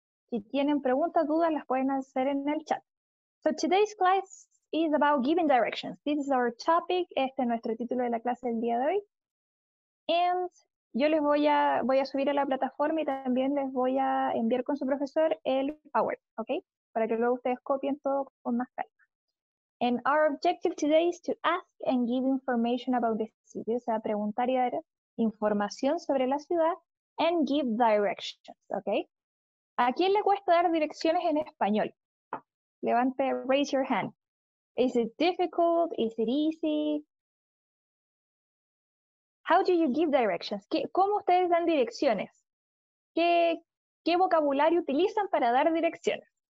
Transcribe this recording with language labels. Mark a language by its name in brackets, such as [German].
[Spanish] Si tienen preguntas, dudas, las pueden hacer en el chat. [English] So, today's class is about giving directions. This is our topic. [Spanish] Este es nuestro título de la clase del día de hoy. And yo les voy a subir a la plataforma y también les voy a enviar con su profesor el PowerPoint, okay? Para que luego ustedes copien todo con más calma. [English] And our objective today is to ask and give information about the city. [Spanish] O sea, preguntar y dar información sobre la ciudad [English] and give directions, [Spanish] ¿ok? ¿A quién le cuesta dar direcciones en español? [English] Levante, raise your hand. Is it difficult? Is it easy? How do you give directions? [Spanish] ¿Cómo ustedes dan direcciones? ¿Qué vocabulario utilizan para dar direcciones?